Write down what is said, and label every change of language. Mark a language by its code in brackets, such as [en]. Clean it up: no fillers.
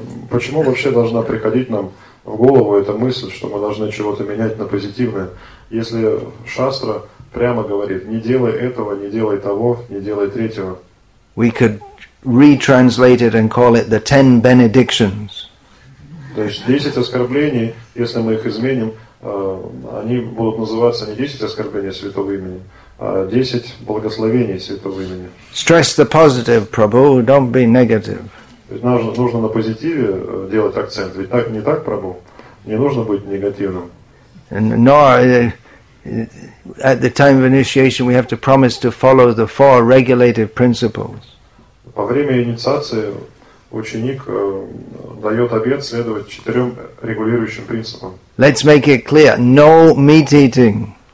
[ru] Почему вообще должна приходить нам в голову эта мысль, что мы должны чего-то менять на позитивное, если Шастра прямо говорит: не делай этого, не делай того, не делай третьего? [en] We could retranslate it and call it the 10 benedictions. [ru] То есть 10 оскорблений, если мы их изменим, они будут называться не 10 оскорблений святого имени, а 10 благословений святого имени. [en] Stress the positive, Prabhu, don't be negative. [ru] Нужно на позитиве делать акцент, ведь так не так, Прабху, не нужно быть негативным. [en] No, at the time of initiation we have to promise to follow the four regulative principles. [ru] Во время инициации ученик дает обет следовать четырем регулирующим принципам. [en] Let's make it clear: no meat eating.